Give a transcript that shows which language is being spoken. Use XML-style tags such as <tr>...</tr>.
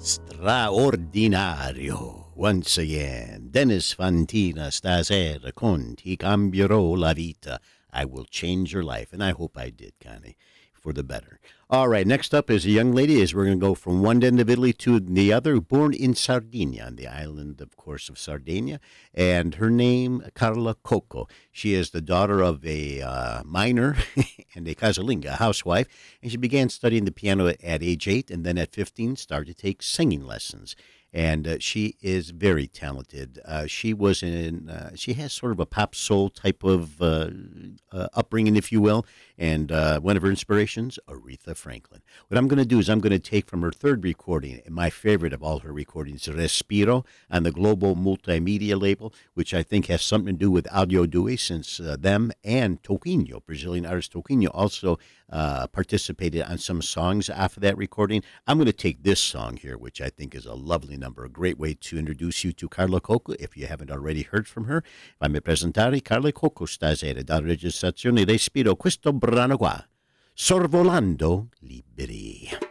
<it>Straordinario,</it> <en>once again,</en> <it>Dennis Fantina stasera con Ti cambierò la vita.</it> <en>I will change your life, and I hope I did, Connie, for the better. All right, next up is a young lady, as we're going to go from one end of Italy to the other, born in Sardinia, on the island, of course, of Sardinia, and her name, Carla Coco. She is the daughter of a miner and a casalinga, a housewife, and she began studying the piano at age 8, and then at 15 started to take singing lessons. And she is very talented. She has sort of a pop soul type of upbringing, if you will. And one of her inspirations, Aretha Franklin. What I'm going to do is I'm going to take from her third recording, my favorite of all her recordings, Respiro, on the Global Multimedia label, which I think has something to do with Audio Due, since them and Toquinho, Brazilian artist Toquinho, also participated on some songs after that recording. I'm going to take this song here, which I think is a lovely number, a great way to introduce you to Carla Coco, if you haven't already heard from her.</en> <it>Fammi presentare Carla Coco stasera da registrazione Respiro, questo brano qua, Sorvolando Liberi.</it>